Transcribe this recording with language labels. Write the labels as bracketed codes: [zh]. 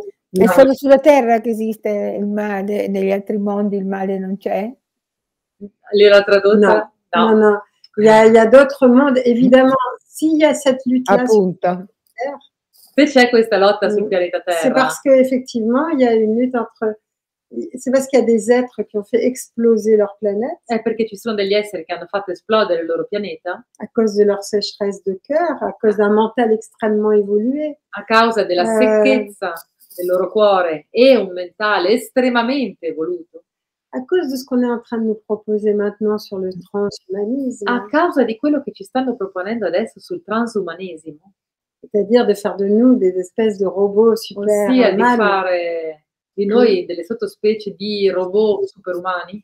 [it] È solo sulla terra che esiste il male, negli altri mondi il male non c'è? L'era tradotta? No. [fr] Il y a d'autres mondi, évidemment, s'il y a cette lutte là, [it] appunto. Se c'è questa lotta sul pianeta Terra. [fr] C'est parce que effectivement, il y a une lutte entre c'est parce qu'il y a des êtres qui ont fait exploser leur planète. [it] È perché ci sono degli esseri che hanno fatto esplodere il loro pianeta. [fr] À cause de leur sécheresse de cœur, à cause d'un mental extrêmement évolué. [it] A causa della secchezza del loro cuore e un mentale estremamente evoluto. [fr] À cause de ce qu'on est en train de nous proposer maintenant sur le transhumanisme. [it] A causa di quello che ci stanno proponendo adesso sul transumanesimo. [fr] C'est-à-dire de faire de nous des espèces de robots super [it] umani. Sì, di fare di noi delle sottospecie di robot super umani.